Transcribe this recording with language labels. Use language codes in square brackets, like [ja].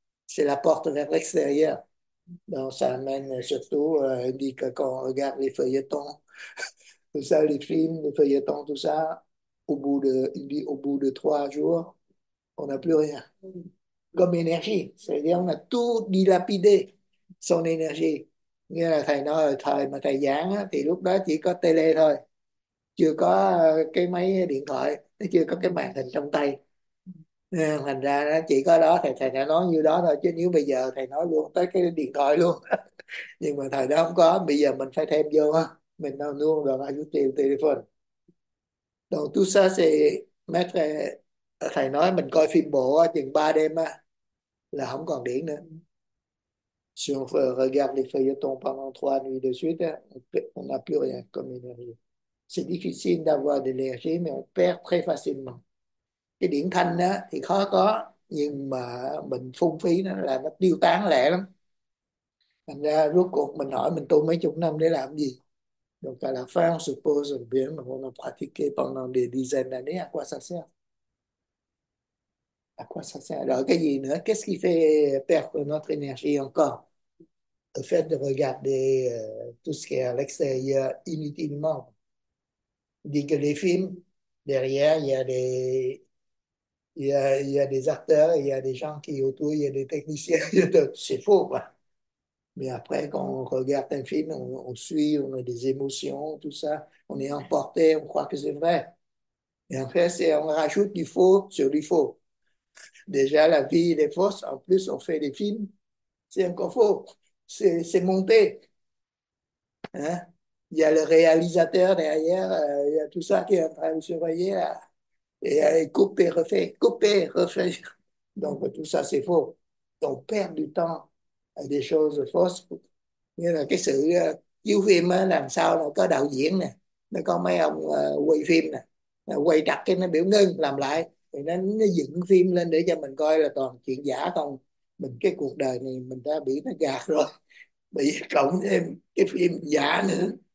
[fr] C'est la porte vers l'extérieur. Donc, ça amène surtout, il dit que quand on regarde les feuilletons, tout ça, les films, les feuilletons, tout ça, il dit au bout de 3 jours, on n'a plus rien. Comme énergie. C'est-à-dire, on a tout dilapidé, son énergie. [vi] Nghĩa là thầy nói, thời mà thầy giảng, thì lúc đó chỉ có tele thôi. Chưa có cái máy điện thoại, chưa có cái màn hình trong tay. Thành ra nó chỉ có đó, thầy đã nói như đó thôi, chứ nếu bây giờ thầy nói luôn tới cái điện thoại luôn nhưng mà thầy đó không có, bây giờ mình phải thêm vô ha, mình đâu luôn rồi ai tiêu telephone. [fr] Donc tout ça c'est [vi] thầy nói mình coi phim bộ chừng 3 đêm á là không còn điện nữa. [fr] Si on regarde les feuilletons pendant 3 nuits de suite, on n'a plus rien comme énergie. C'est difficile d'avoir de l'énergie, mais on perd très facilement. [vi] Cái điện thanh đó thì khó có, nhưng mà mình phung phí nó là nó tiêu tán lẹ lắm. Thành ra rốt cuộc mình hỏi mình tu mấy chục năm để làm gì? [fr] Donc à la fin, on se pose une bien, mais on a pratiqué pendant des dizaines d'années. À quoi ça sert? À quoi ça sert? Alors, [vi] cái gì nữa? [fr] Qu'est-ce qui fait perdre notre énergie encore? Le fait de regarder tout ce qui est à l'extérieur inutilement. Dit que les films, derrière, il y a des acteurs, il y a des gens qui autour, il y a des techniciens, c'est faux, quoi. Mais après, quand on regarde un film, on suit, on a des émotions, tout ça, on est emporté, on croit que c'est vrai. Et en fait, c'est on rajoute du faux sur du faux. Déjà, la vie, elle est fausse, en plus, on fait des films, c'est encore faux, c'est monté. Hein? Il y a le réalisateur derrière, il y a tout ça qui est en train de surveiller là. Et couper, refaire, couper, refaire. Donc, tout ça, c'est faux. On perd du temps à des choses fausses. [vi] Nghĩa là cái sự chiếu phim á, làm sao nó có đạo diễn nè. Nó có mấy ông quay phim nè. Nó quay đặt cái nó biểu ngưng, làm lại. Thì nó dựng phim lên để cho mình coi là toàn chuyện giả không. Mình cái cuộc đời này mình đã bị nó gạt rồi. Bị cộng thêm cái phim giả nữa.